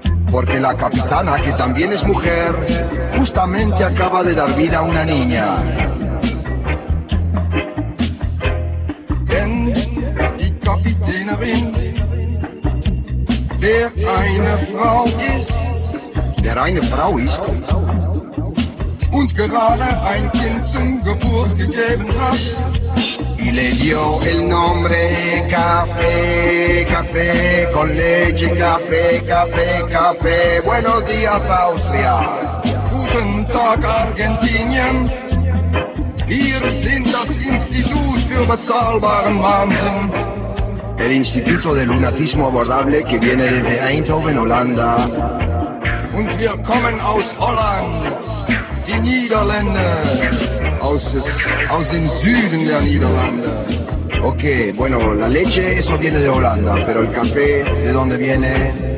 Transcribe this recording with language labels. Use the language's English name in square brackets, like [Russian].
[Spanish] Porque la capitana, que también es mujer, justamente acaba de dar vida a una niña. [German] Denn die Kapitänerin, der eine Frau ist, und gerade ein Kind zum Geburt gegeben hat, [Spanish] y le dio el nombre Café, Café con Leche, Café, Café, Café. Buenos días, Austria. [German] Guten Tag, Argentinien. Wir sind das Institut für bezahlbaren Wahnsinn. [Spanish] El Instituto del Lunatismo Abordable, que viene desde Eindhoven, Holanda. [German] Und wir kommen aus Holland, die Niederlande. Aus dem Süden der Niederlande. [Spanish] Okay, bueno, la leche, eso viene de Holanda, pero el café, ¿de dónde viene?